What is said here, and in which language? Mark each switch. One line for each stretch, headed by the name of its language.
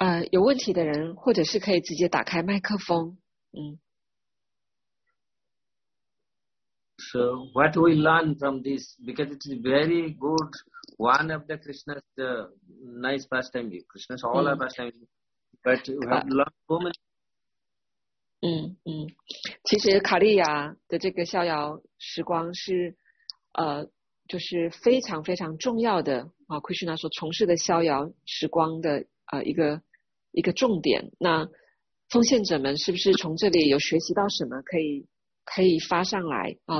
Chinese: 有问题的人或者是可以直接打开麦克风。
English: So what we learn from this, because it's very good, one of the Krishna's the nice pastime, Krishna's all our pastime, but we have learned so many.
Chinese: 其实卡利亚的这个逍遥时光是就是非常非常重要的啊 Krishna 所从事的逍遥时光的一个重点。那奉献者们是不是从这里有学习到什么可以发上来啊？